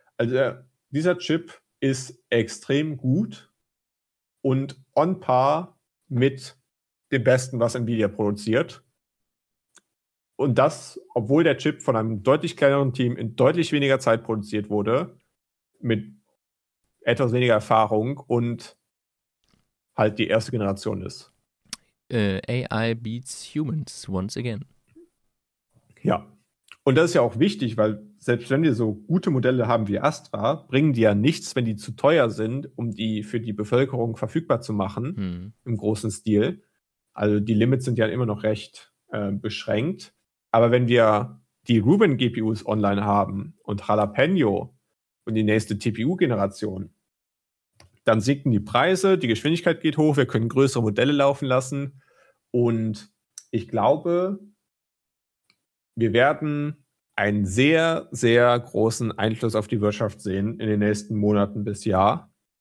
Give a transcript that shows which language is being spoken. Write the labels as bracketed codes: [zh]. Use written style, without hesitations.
[de] Also dieser Chip ist extrem gut und on par mit dem Besten, was Nvidia produziert. Und das, obwohl der Chip von einem deutlich kleineren Team in deutlich weniger Zeit produziert wurde, mit etwas weniger Erfahrung und halt die erste Generation ist. [en] AI beats humans once again. [de] Ja, und das ist ja auch wichtig, weil selbst wenn wir so gute Modelle haben wie Astra, bringen die ja nichts, wenn die zu teuer sind, um die für die Bevölkerung verfügbar zu machen, im großen Stil. Also die Limits sind ja immer noch recht beschränkt. Aber wenn wir die Rubin-GPUs online haben und Jalapeno und die nächste TPU-Generation, dann sinken die Preise, die Geschwindigkeit geht hoch, wir können größere Modelle laufen lassen und ich glaube, wir werden einen sehr, sehr großen Einfluss auf die Wirtschaft sehen in den nächsten Monaten bis Jahr.